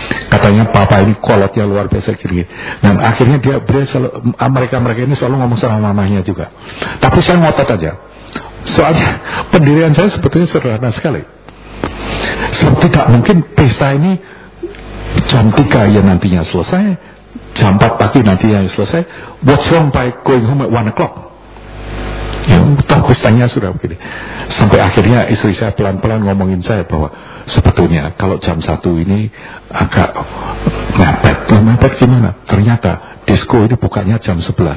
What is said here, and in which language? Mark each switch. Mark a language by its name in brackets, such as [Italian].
[Indonesian] Katanya papa ini kolotnya luar biasa kiri. Dan akhirnya dia selalu, mereka ini selalu ngomong sama mamanya juga. Tapi saya ngotot aja. Soalnya pendirian saya sebetulnya sederhana sekali. Sebab tidak mungkin pesta ini jam 3 ya nantinya selesai, jam 4 pagi nantinya selesai. [English] What's wrong by going home at 1 o'clock? [Indonesian] Tahu pestanya sudah begini. Sampai akhirnya istri saya pelan-pelan ngomongin saya bahwa sebetulnya kalau jam 1 ini agak mepet. Mepet gimana? Ternyata disco ini bukanya jam 11.